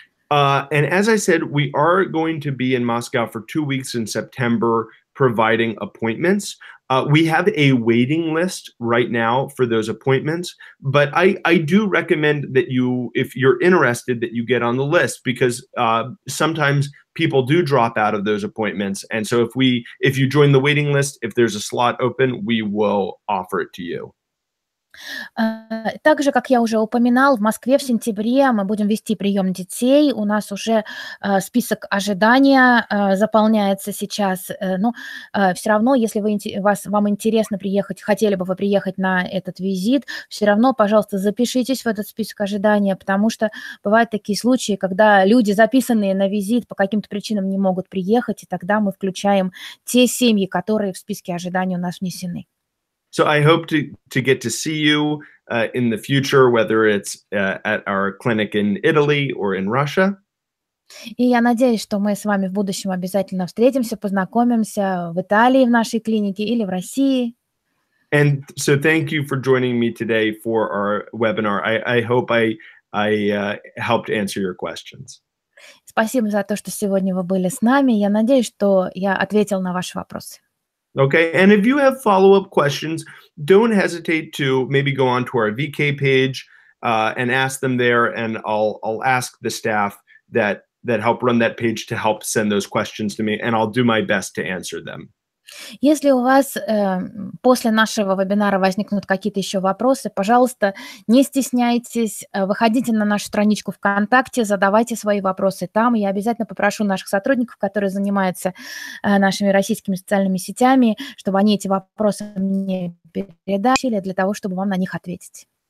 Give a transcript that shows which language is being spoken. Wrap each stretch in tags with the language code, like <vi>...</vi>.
<en>And as I said, we are going to be in Moscow for 2 weeks in September, providing appointments. We have a waiting list right now for those appointments, but I do recommend that you, if you're interested, that you get on the list, because sometimes people do drop out of those appointments. And so if you join the waiting list, if there's a slot open, we will offer it to you.</en> <ru>Также, как я уже упоминал, в Москве в сентябре мы будем вести прием детей. У нас уже список ожидания заполняется сейчас. Все равно, если вам интересно приехать, хотели бы вы приехать на этот визит, все равно, пожалуйста, запишитесь в этот список ожидания, потому что бывают такие случаи, когда люди, записанные на визит, по каким-то причинам не могут приехать, и тогда мы включаем те семьи, которые в списке ожидания у нас внесены.</ru> <en>So I hope to get to see you in the future, whether it's at our clinic in Italy or in Russia.</en> <ru>И я надеюсь, что мы с вами в будущем обязательно встретимся, познакомимся в Италии, в нашей клинике или в России.</ru> <en>And so thank you for joining me today for our webinar. I hope I helped answer your questions.</en> <ru>Спасибо за то, что сегодня вы были с нами. Я надеюсь, что я ответил на ваши вопросы.</ru> <en>Okay, and if you have follow-up questions, don't hesitate to maybe go on to our VK page and ask them there, and I'll ask the staff that help run that page to help send those questions to me, and I'll do my best to answer them.</en> <ru>Если у вас после нашего вебинара возникнут какие-то еще вопросы, пожалуйста, не стесняйтесь, выходите на нашу страничку ВКонтакте, задавайте свои вопросы там. Я обязательно попрошу наших сотрудников, которые занимаются нашими российскими социальными сетями, чтобы они эти вопросы мне передали для того, чтобы вам на них ответить.</ru>